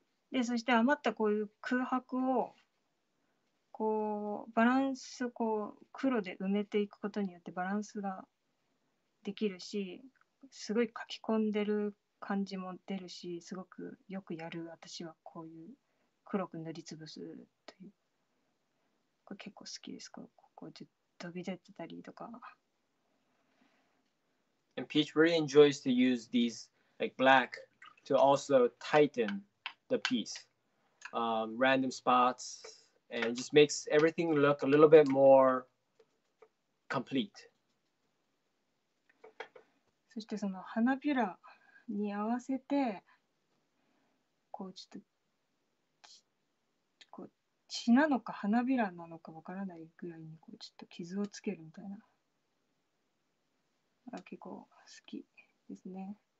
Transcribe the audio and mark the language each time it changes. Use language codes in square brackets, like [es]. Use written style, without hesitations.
[ja] で、そして余ったこういう空白をこうバランスこう黒で埋めていくことによってバランスができるし、すごい描き込んでる。感じも出るし、すごくよくやる。私はこういう黒く塗りつぶすという、これ結構好きです。ここちょっと飛び出てたりとか。 [en] And Peach really enjoys to use these like black, to also tighten the piece, random spots, and just makes everything look a little bit more complete. [ja] そしてその花びらに合わせてこうちょっとこう血なのか花びらなのかわからないぐらいにこうちょっと傷をつけるみたいな結構好きですね。